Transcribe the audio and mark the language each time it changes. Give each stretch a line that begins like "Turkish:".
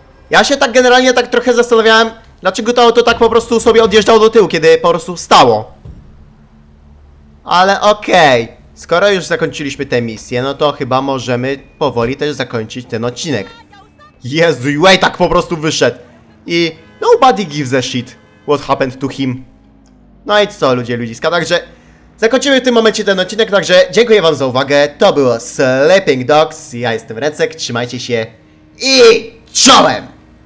Polish: Ja się tak generalnie tak trochę zastanawiałem, dlaczego to auto tak po prostu sobie odjeżdżało do tyłu, kiedy po prostu stało. Ale okej, okay. Skoro już zakończyliśmy tę misję, no to chyba możemy powoli też zakończyć ten odcinek. Jezu, way, tak po prostu wyszedł.
English: I nobody gives a shit what happened to him.
Polish: No i co, ludzie, ludziska, także zakończymy w tym momencie ten odcinek, także dziękuję wam za uwagę. To było Sleeping Dogs, ja jestem Recek, trzymajcie się i... Czołem!